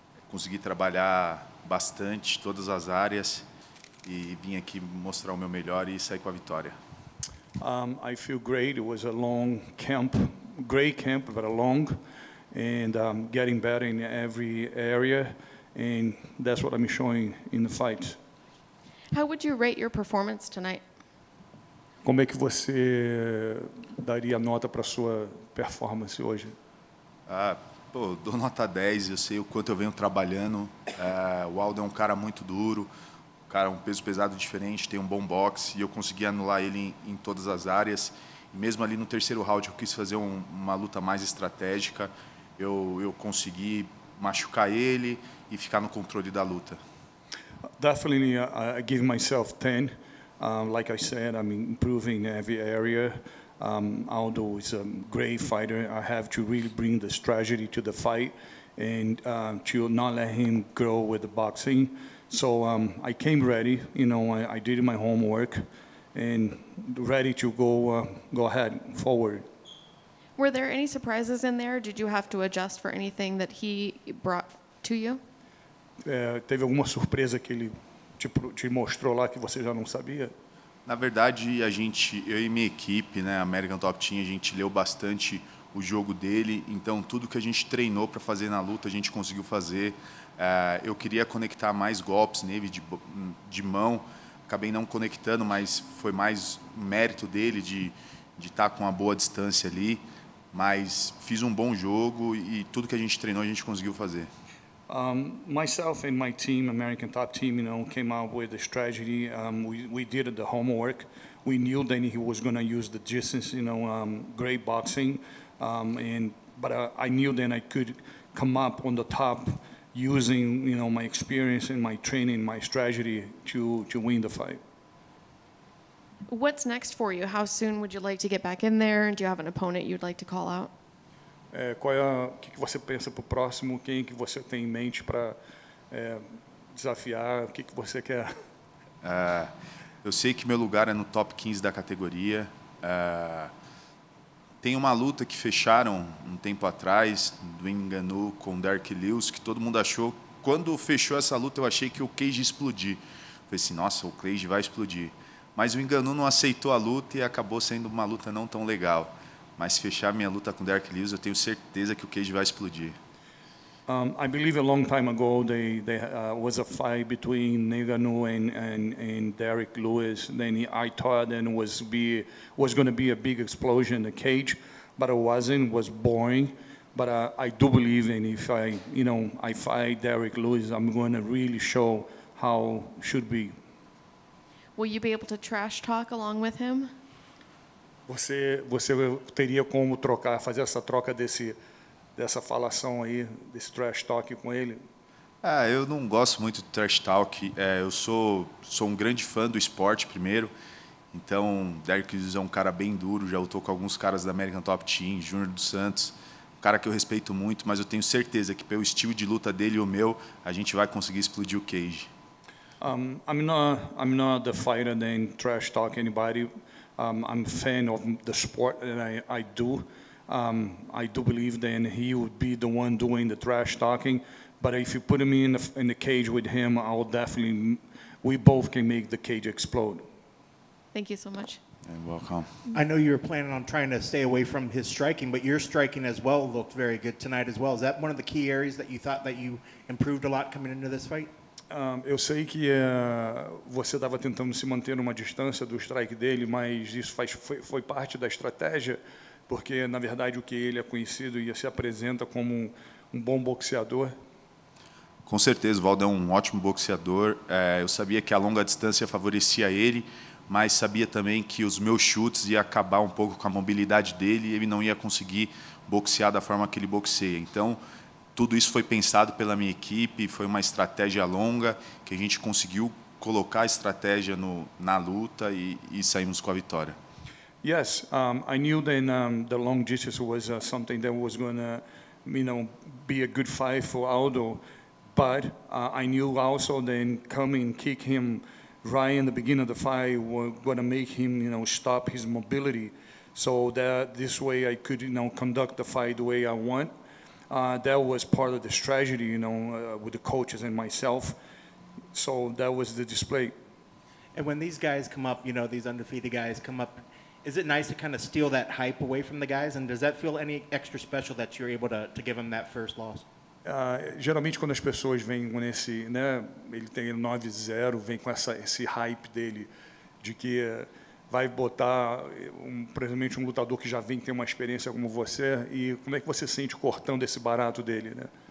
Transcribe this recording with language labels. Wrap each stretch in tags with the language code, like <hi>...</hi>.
<pt>Consegui trabalhar bastante todas as áreas e vim aqui mostrar o meu melhor e sair com a vitória.</pt> <en>I feel great. It was a long camp, great camp, but a long, and getting better in every area, and that's what I'm showing in the fight. How would you rate your performance tonight?</en> <pt>Como é que você daria nota para sua performance hoje? Pô, dou nota 10, eu sei o quanto eu venho trabalhando. O Aldo é um cara muito duro, um cara um peso pesado diferente, tem um bom boxe, e eu consegui anular ele em todas as áreas. E mesmo ali no terceiro round, eu quis fazer uma luta mais estratégica, eu consegui machucar ele e ficar no controle da luta.</pt> <en>Definitely, I give myself 10. Like I said, I'm improving every area. Aldo is a great fighter. I have to really bring the strategy to the fight and to not let him grow with the boxing. So I came ready. You know, I did my homework and ready to go ahead forward. Were there any surprises in there? Did you have to adjust for anything that he brought to you?</en> <pt>Teve alguma surpresa que ele te mostrou lá que você já não sabia? Na verdade, eu e minha equipe, né, American Top Team, a gente leu bastante o jogo dele. Então, tudo que a gente treinou para fazer na luta, a gente conseguiu fazer. Eu queria conectar mais golpes nele de mão. Acabei não conectando, mas foi mais mérito dele de estar com uma boa distância ali. Mas fiz um bom jogo e tudo que a gente treinou, a gente conseguiu fazer.</pt> <en>Myself and my team, American Top Team, you know, came up with a strategy. We did the homework. We knew that he was going to use the distance, you know, great boxing. But I knew then I could come up on the top using, you know, my experience and my training, my strategy to win the fight. What's next for you? How soon would you like to get back in there? And do you have an opponent you'd like to call out?</en> <pt>Que você pensa para o próximo? Quem que você tem em mente para desafiar? O que, que você quer? Eu sei que meu lugar é no top 15 da categoria. Tem uma luta que fecharam um tempo atrás, do Ngannou com Derrick Lewis, que todo mundo achou. Quando fechou essa luta, eu achei que o Cage ia explodir. Falei assim, nossa, o Cage vai explodir. Mas o Ngannou não aceitou a luta e acabou sendo uma luta não tão legal. Mas fechar minha luta com Derrick Lewis, eu tenho certeza que o Cage vai explodir.</pt> <en>I believe a long time ago there was a fight between Ngannou and Derrick Lewis. Then I thought that was going to be a big explosion in the cage, but it wasn't. It was boring. But I do believe, and if I, you know, I fight Derrick Lewis, I'm going to really show how should be. Will you be able to trash talk along with him?</en> <pt>Você teria como trocar, fazer essa troca dessa falação aí, desse trash talk com ele? Eu não gosto muito de trash talk. Eu sou um grande fã do esporte, primeiro. Então, Derrick Lewis é um cara bem duro. Já lutou com alguns caras da American Top Team, Júnior dos Santos. Um cara que eu respeito muito, mas eu tenho certeza que pelo estilo de luta dele e o meu, a gente vai conseguir explodir o cage.</pt> <en>I'm not the fighter that trash talk anybody. I'm a fan of the sport that I do. I do believe that he would be the one doing the trash talking. But if you put me in the cage with him, I'll definitely. We both can make the cage explode. Thank you so much. You're welcome. I know you were planning on trying to stay away from his striking, but your striking as well looked very good tonight as well. Is that one of the key areas that you thought that you improved a lot coming into this fight?</en> <pt>Eu sei que você estava tentando se manter numa distância do strike dele, mas isso foi parte da estratégia, porque, na verdade, o que ele é conhecido e se apresenta como um bom boxeador. Com certeza, o Valdo é um ótimo boxeador. Eu sabia que a longa distância favorecia ele, mas sabia também que os meus chutes iam acabar um pouco com a mobilidade dele e ele não ia conseguir boxear da forma que ele boxeia. Então, tudo isso foi pensado pela minha equipe, foi uma estratégia longa, que a gente conseguiu colocar a estratégia na luta e saímos com a vitória.</pt> <en>Yes, I knew that the long distance was something that was going to, you know, be a good fight for Aldo, But I knew also then coming, kick him right in the beginning of the fight were going to make him, you know, stop his mobility. So that this way I could, you know, conduct the fight the way I want. That was part of the strategy, you know, with the coaches and myself. So that was the display. And when these guys come up, you know, these undefeated guys come up, is it nice to kind of steal that hype away from the guys? And does that feel any extra special that you're able to give them that first loss?</en> <pt>Geralmente quando as pessoas vêm com esse, né, ele tem 9-0, vem com essa, esse hype dele de que vai botar um, presumente um lutador que já vem ter uma experiência como você, e como é que você sente cortando esse barato dele, né?</pt>